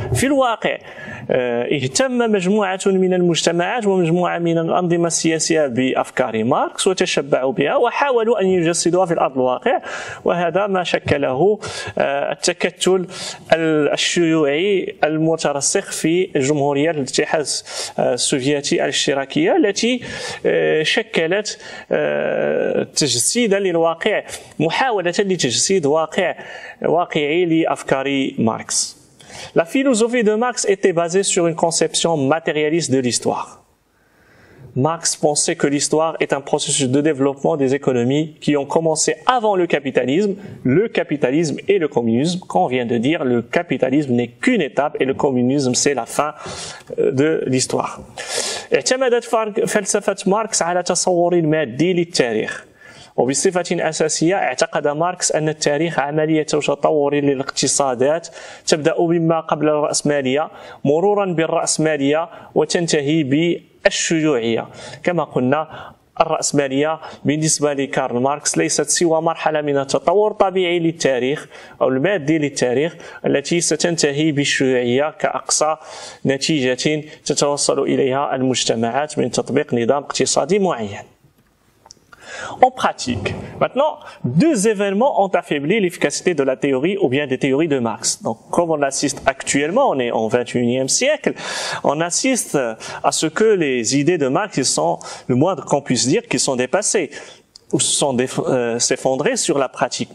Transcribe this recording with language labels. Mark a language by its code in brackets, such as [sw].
[ar] في الواقع اهتم مجموعة من المجتمعات ومجموعة من الأنظمة السياسية بأفكار ماركس وتشبعوا بها وحاولوا أن يجسدوها في الأرض الواقع، وهذا ما شكله التكتل الشيوعي المترسخ في جمهورية الاتحاد السوفيتي الاشتراكية التي شكلت تجسيدا للواقع، محاولة لتجسيد واقعي لأفكار ماركس. [fr] La philosophie de Marx était basée sur une conception matérialiste de l'histoire. Marx pensait que l'histoire est un processus de développement des économies qui ont commencé avant le capitalisme et le communisme. Quand on vient de dire, le capitalisme n'est qu'une étape et le communisme c'est la fin de l'histoire. [ar] اعتمدت فلسفة ماركس على تصور مادي للتاريخ. وبصفة أساسية اعتقد ماركس أن التاريخ عملية تطور للاقتصادات تبدأ مما قبل الرأسمالية مرورا بالرأسمالية وتنتهي بالشيوعية. كما قلنا الرأسمالية بالنسبة لكارل ماركس ليست سوى مرحلة من التطور الطبيعي للتاريخ أو المادي للتاريخ التي ستنتهي بالشيوعية كأقصى نتيجة تتوصل إليها المجتمعات من تطبيق نظام اقتصادي معين. [fr] En pratique, maintenant, deux événements ont affaibli l'efficacité de la théorie ou bien des théories de Marx. Donc, comme on assiste actuellement, on est en 21e siècle, on assiste à ce que les idées de Marx, ils sont le moindre qu'on puisse dire, qu'ils sont dépassés ou s'effondrer sur la pratique.